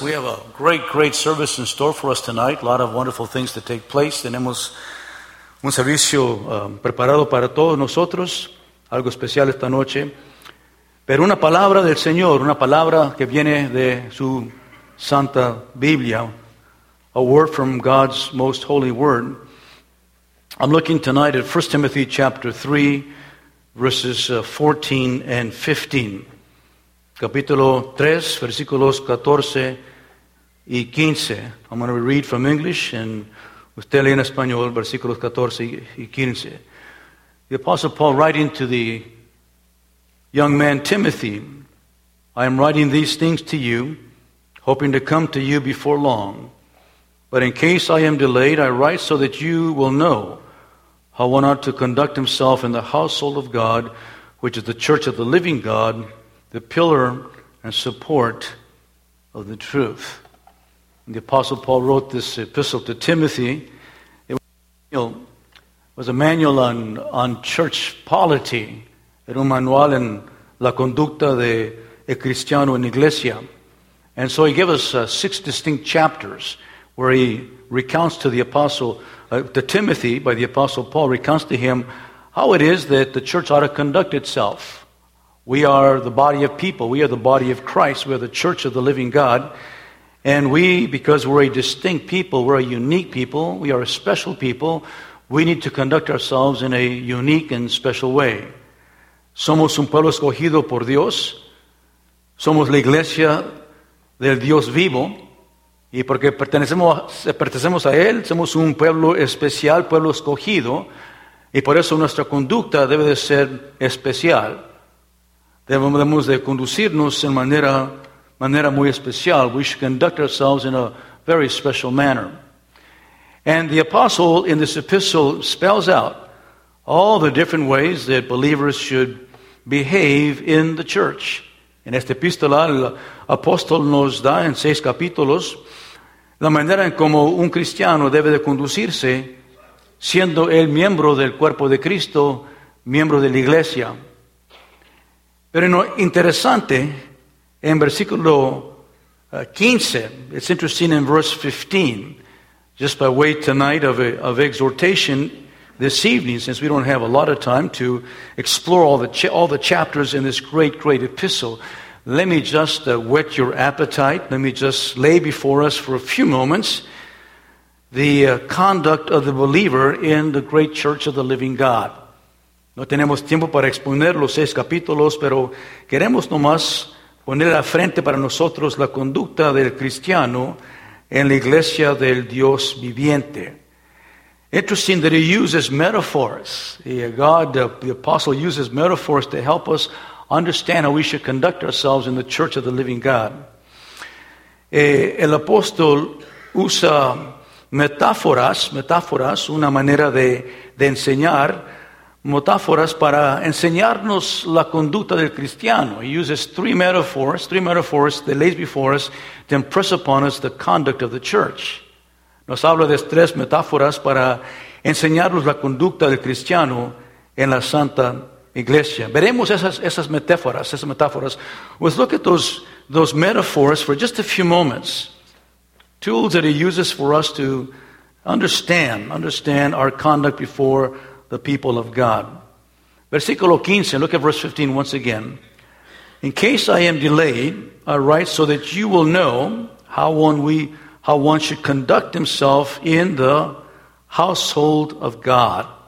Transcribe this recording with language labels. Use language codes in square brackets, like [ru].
[en] We have a great, great service in store for us tonight. A lot of wonderful things to take place. [es] Tenemos un servicio preparado para todos nosotros. Algo especial esta noche. Pero una palabra del Señor, una palabra que viene de su Santa Biblia. [en] A word from God's most holy word. I'm looking tonight at 1 Timothy chapter 3, verses 14 and 15. [es] Capítulo 3, versículos 14 y 15. [en] I'm going to read from English, and [es] usted lee en español, versículos 14 y 15. [en] The Apostle Paul writing to the young man Timothy, I am writing these things to you, hoping to come to you before long. But in case I am delayed, I write so that you will know how one ought to conduct himself in the household of God, which is the church of the living God, the pillar and support of the truth. And the Apostle Paul wrote this epistle to Timothy. It was a manual on church polity. [es] Era un manual en la conducta de el cristiano en iglesia. [en] And so he gave us six distinct chapters where he recounts to the Apostle, to Timothy, by the Apostle Paul, recounts to him how it is that the church ought to conduct itself. We are the body of people. We are the body of Christ. We are the church of the living God. And we, because we're a distinct people, we're a unique people, we are a special people, we need to conduct ourselves in a unique and special way. [es] Somos un pueblo escogido por Dios. Somos la iglesia del Dios vivo. Y porque pertenecemos a Él, somos un pueblo especial, pueblo escogido. Y por eso nuestra conducta debe de ser especial. Debemos de conducirnos en manera muy especial. [en] We should conduct ourselves in a very special manner. And the apostle in this epistle spells out all the different ways that believers should behave in the church. [es] En esta epístola, el apóstol nos da en seis capítulos la manera en como un cristiano debe de conducirse siendo el miembro del cuerpo de Cristo, miembro de la iglesia. Pero lo interesante, en versículo 15, [en] it's interesting in verse 15, just by way tonight of exhortation this evening, since we don't have a lot of time to explore all the chapters in this great, great epistle, let me just whet your appetite, let me just lay before us for a few moments the conduct of the believer in the great church of the living God. [es] No tenemos tiempo para exponer los seis capítulos, pero queremos nomás poner a frente para nosotros la conducta del cristiano en la iglesia del Dios viviente. [en] Interesting that he uses metaphors. God, the apostle, uses metaphors to help us understand how we should conduct ourselves in the church of the living God. [es] El apóstol usa metáforas, una manera de enseñar, metáforas para enseñarnos la conducta del cristiano. [en] He uses three metaphors that lays before us to impress upon us the conduct of the church. [es] Nos habla de tres metáforas para enseñarnos la conducta del cristiano en la Santa Iglesia. Veremos esas metáforas. [en] Let's look at those metaphors for just a few moments. Tools that he uses for us to understand our conduct before the people of God. [es] Versículo 15, [en] look at verse 15 once again. In case I am delayed, I write so that you will know how one should conduct himself in the household of God.